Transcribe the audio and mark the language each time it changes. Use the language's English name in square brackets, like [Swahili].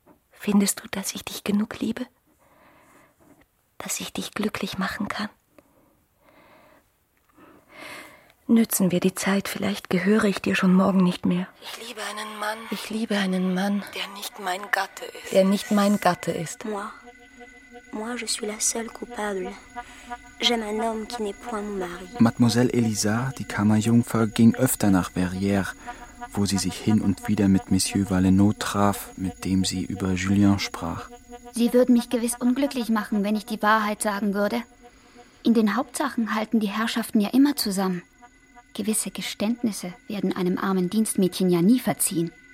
[German] Findest du, dass ich dich genug liebe? Dass ich dich glücklich machen kann? Nützen wir die Zeit, vielleicht gehöre ich dir schon morgen nicht mehr. Ich liebe einen Mann, der nicht mein Gatte ist. [French] Moi, je suis la seule coupable. J'aime un homme qui n'est point mon mari. [German] Mademoiselle Elisa, die Kammerjungfer, ging öfter nach Verrières, wo sie sich hin und wieder mit Monsieur Valenod traf, mit dem sie über Julien sprach. Sie würden mich gewiss unglücklich machen, wenn ich die Wahrheit sagen würde. In den Hauptsachen halten die Herrschaften ja immer zusammen. Gewisse Geständnisse werden einem armen Dienstmädchen ja nie verziehen.